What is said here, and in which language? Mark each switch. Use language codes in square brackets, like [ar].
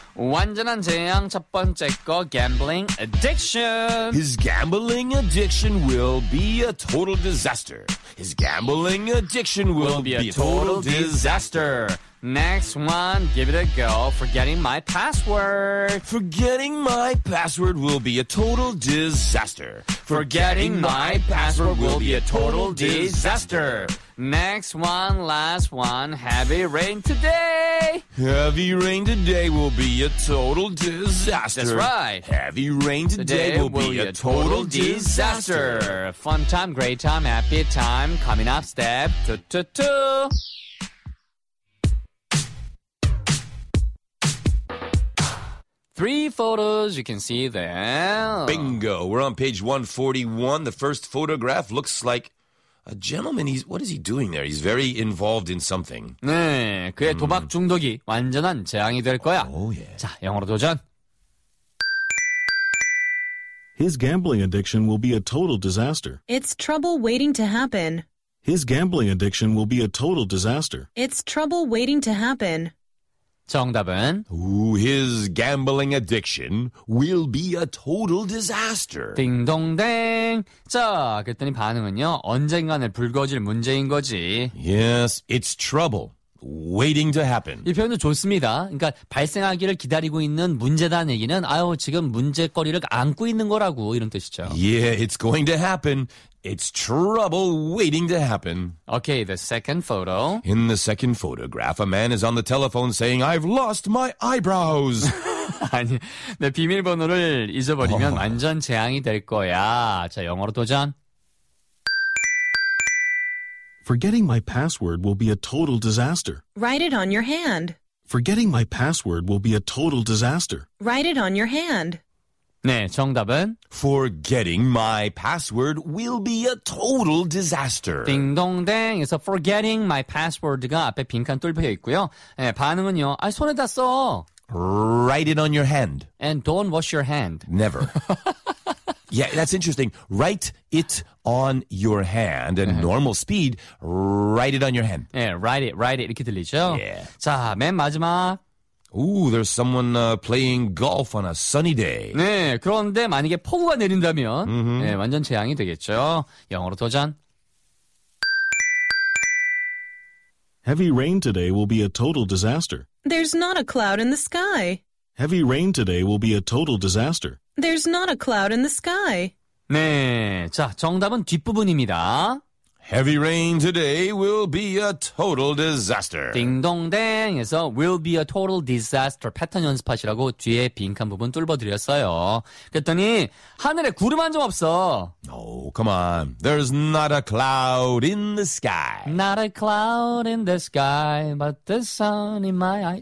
[ko] 완전한 재앙 첫 번째 거, [en] gambling addiction. His gambling addiction will be a total disaster. His gambling addiction will be a total disaster. Next one, give it a go, forgetting my password. Forgetting my password will be a total disaster. Forgetting my password will be a total disaster. Next one, last one, heavy rain today. Heavy rain today will be a total disaster. That's right. Heavy rain today will be a total disaster. Fun time, great time, happy time, coming up step 2-2-2. Three photos you can see there. Bingo. We're on page 141. The first photograph looks like a gentleman. What is he doing there? He's very involved in something. [ko] 네, 그의 도박 중독이 완전한 재앙이 될 거야. [en] Oh, yeah. [ko] 자, 영어로 도전. [en] His gambling addiction will be a total disaster. It's trouble waiting to happen. His gambling addiction will be a total disaster. It's trouble waiting to happen. [ko] 정답은 [en] His gambling addiction will be a total disaster. [ko] 딩동댕. 자, 그랬더니 반응은요. 언젠가는 불거질 문제인 거지. [en] Yes, it's trouble. waiting to happen. [ko] 이 표현도 좋습니다. 그러니까 발생하기를 기다리고 있는 문제다는 얘기는 아유 지금 문제거리를 안고 있는 거라고 이런 뜻이죠. [en] Yeah, it's going to happen. It's trouble waiting to happen. Okay, the second photo. In the second photograph, a man is on the telephone saying, I've lost my eyebrows. [ko] 아니, 내 비밀번호를 잊어버리면 완전 재앙이 될 거야. 자, 영어로 도전. [en] Forgetting my password will be a total disaster. Write it on your hand. Forgetting my password will be a total disaster. Write it on your hand. [ko] 네, 정답은 [en] Forgetting my password will be a total disaster. [ko] 띵동댕. 그래서 [en] Forgetting my password [ko] 가 앞에 빈칸 뚫려 있고요. 네, 반응은요. 아, 손에 다 써. [en] Write it on your hand. And don't wash your hand. Never. Yeah, that's interesting. Write it on your hand. And normal speed, write it on your hand. Yeah, write it. [ko] 이렇게 들리죠? [en] Yeah. [ko] 자, 맨 마지막. [en] Ooh, there's someone playing golf on a sunny day. [ko] 네, 그런데 만약에 폭우가 내린다면 네, 완전 재앙이 되겠죠. 영어로 도전. [en] Heavy rain today will be a total disaster. There's not a cloud in the sky. Heavy rain today will be a total disaster. There's not a cloud in the sky. [ko] 네, 자, 정답은 뒷부분입니다. [en] Heavy rain today will be a total disaster. [ko] 띵동댕에서 [en] will be a total disaster [ko] 패턴 연습하시라고 뒤에 빈칸 부분 뚫어드렸어요. 그랬더니 하늘에 구름 한 점 없어. [en] Oh, come on. There's not a cloud in the sky. Not a cloud in the sky, but the sun in my eye.